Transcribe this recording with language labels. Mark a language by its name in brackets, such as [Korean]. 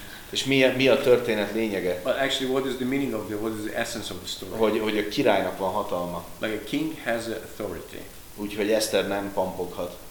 [Hungarian] És mi a történet lényege? [English] But actually, what is the meaning of the, what is the essence of the story? [Hungarian] Hogy a királynak van hatalma. [English] Like a king has authority. [Hungarian] Úgyhogy Esther nem pamboghat.